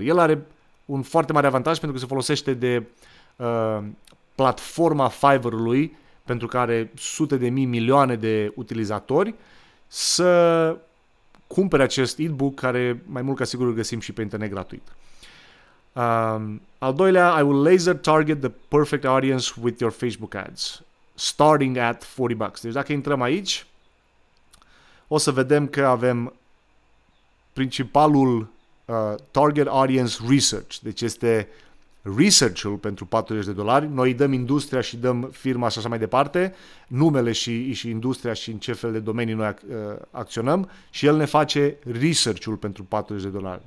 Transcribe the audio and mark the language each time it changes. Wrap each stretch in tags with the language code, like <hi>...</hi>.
<ro>El are un foarte mare avantaj pentru că se folosește de platforma Fiverr-ului, pentru care sute de mii, milioane de utilizatori, să cumpere acest e-book, care mai mult ca sigur îl găsim și pe internet gratuit. Al doilea,</ro> <en>I will laser target the perfect audience with your Facebook ads, starting at $40.</en> <ro>Deci dacă intrăm aici, o să vedem că avem principalul target audience research, deci este research-ul pentru $40. Noi dăm industria și dăm firma și așa mai departe, numele și industria și în ce fel de domenii noi acționăm, și el ne face research-ul pentru $40.</ro>